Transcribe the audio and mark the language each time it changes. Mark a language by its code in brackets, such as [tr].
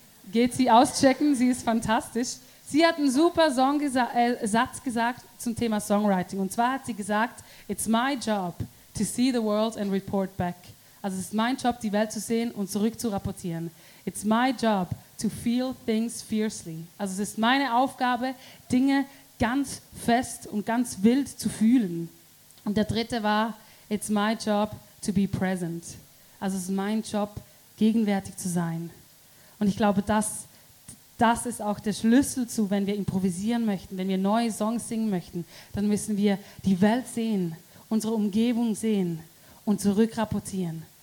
[de] Geht sie auschecken, sie ist fantastisch. Sie hat einen super Satz gesagt zum Thema Songwriting. Und zwar hat sie gesagt, [en] it's my job to see the world and report back. [de] Also es ist mein Job, die Welt zu sehen und zurück zu rapportieren. [en] It's my job to feel things fiercely. [de] Also es ist meine Aufgabe, Dinge ganz fest und ganz wild zu fühlen. Und der dritte war, [en] it's my job to be present. [de] Also es ist mein Job, gegenwärtig zu sein. Und ich glaube, das ist auch der Schlüssel zu, wenn wir improvisieren möchten, wenn wir neue Songs singen möchten, dann müssen wir die Welt sehen, unsere Umgebung sehen und zurückrapportieren.